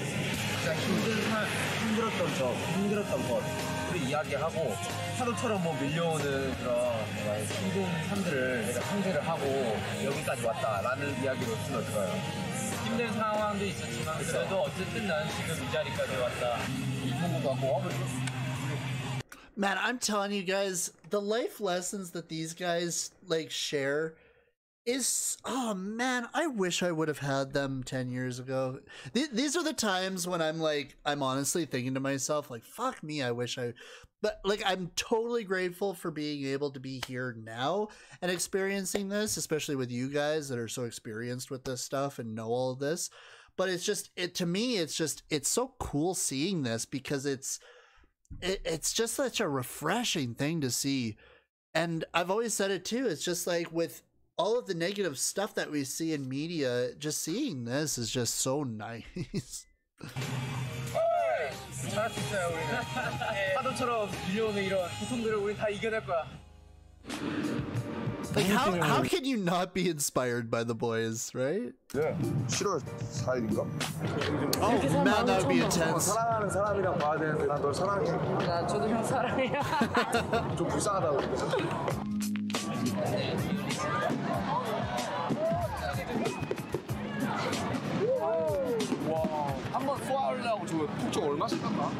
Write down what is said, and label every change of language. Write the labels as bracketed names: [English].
[Korean] 진짜 힘들었던 점, 힘들었던 것. 스토리 이야기하고 하루처럼 뭐 밀려오는 그런 힘든 삶들을 내가 상대를 하고 여기까지 왔다라는 이야기로 쓰면 좋아요. 힘든 상황도 있었지만 그래도 어쨌든 난 지금 이 자리까지 왔다. 이 부분도 하고 와보죠. [English] Man, I'm telling you guys, the life lessons that these guys, like, share is... Oh, man, I wish I would have had them 10 years ago. These are the times when I'm, like, I'm honestly thinking to myself, like, fuck me, I wish I... But, like, I'm totally grateful for being able to be here now and experiencing this, especially with you guys that are so experienced with this stuff and know all of this. But it's just... It's so cool seeing this because it's... It's just such a refreshing thing to see. And I've always said it too. It's just like with all of the negative stuff that we see in media, just seeing this is just so nice. [Korean] Hey, 잘했어요, 우리는. 파도처럼 밀려오는 이런 고통들을 우리 다 이겨낼 거야. [English] Like how can you not be inspired by the boys, right? [Korean] Yeah. 7월 4일인가? [English] Oh man, that would be intense. [Korean] 사랑하는 사람이랑 봐야 되는데 난 널 사랑해. 나 저도 형 사랑해. 좀 불쌍하다고. 형 와, 한번 쏘아올리려고 저 폭죽 얼마 쓸까?